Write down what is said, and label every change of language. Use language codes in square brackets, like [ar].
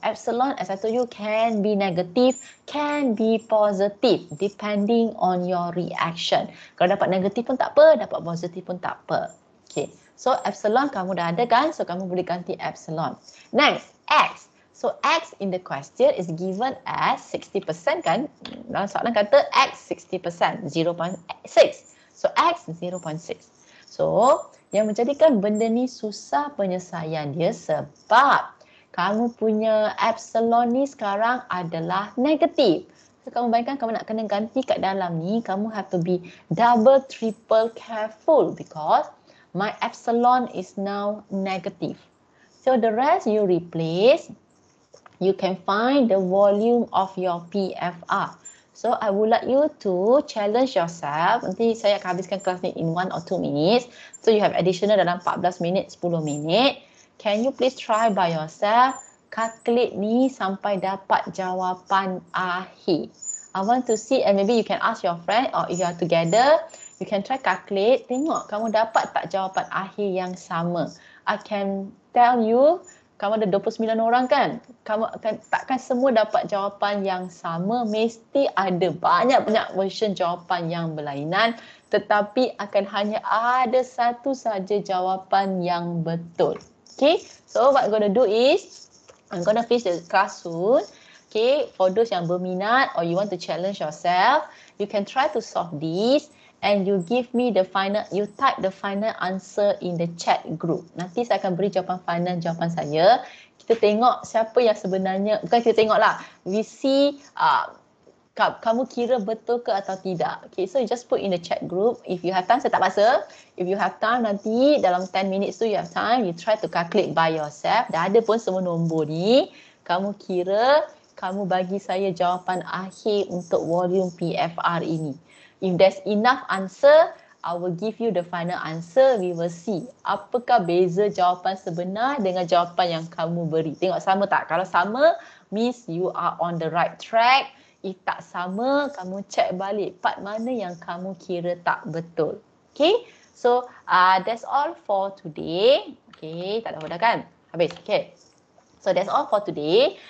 [en] Epsilon, as I told you, can be negative, can be positive depending on your reaction. [ms] Kalau dapat negatif pun tak apa, dapat positif pun tak apa. Okay. So epsilon kamu dah ada kan? So kamu boleh ganti epsilon. Next, X. [en] So X in the question is given as 60% kan? [ms] Dalam soalan kata X 60%, 0.6. So X 0.6. So yang menjadikan benda ni susah penyelesaian dia sebab kamu punya epsilon ni sekarang adalah negatif. [en] So [ms] kamu bayangkan kamu nak kena ganti kat dalam ni, [en] kamu have to be double, triple careful because my epsilon is now negative. So the rest you replace. You can find the volume of your PFR. So I would like you to challenge yourself. [ms] Nanti saya akan habiskan kelas ni [en] in 1 or 2 minutes. So you have additional [ms] dalam 14 minit, 10 minit. [en] Can you please try by yourself? [ms] Calculate ni sampai dapat jawapan akhir. [en] I want to see and maybe you can ask your friend or if you are together. You can try calculate, [ms] tengok kamu dapat tak jawapan akhir yang sama. [en] I can tell you, [ms] kamu ada 29 orang kan? Kamu akan, takkan semua dapat jawapan yang sama. Mesti ada banyak-banyak version jawapan yang berlainan. Tetapi akan hanya ada satu saja jawapan yang betul. [en] Okay, so what I'm going to do is, I'm going to finish the class soon. Okay, for those [ms] yang berminat [en] or you want to challenge yourself, you can try to solve this. And you give me the final, you type the final answer in the chat group. [ms] Nanti saya akan beri jawapan final jawapan saya. Kita tengok siapa yang sebenarnya, bukan kita tengok lah. [en] We see [ms] kamu kira betul ke atau tidak. [en] Okay, so you just put in the chat group. If you have time, [ms] saya tak paksa. [en] If you have time, [ms] nanti dalam [en] 10 minutes tu you have time, you try to calculate by yourself. [ms] Dah ada pun semua nombor ni. Kamu kira, kamu bagi saya jawapan akhir untuk volume PFR ini. [en] If there's enough answer, I will give you the final answer. We will see [ms] apakah beza jawapan sebenar dengan jawapan yang kamu beri. Tengok sama tak? Kalau sama, [en] means you are on the right track. [ms] If tak sama, kamu check balik part mana yang kamu kira tak betul. [en] Okay, so that's all for today. Okay, [ms] tak ada apa-apa kan? Habis, [en] okay. So that's all for today.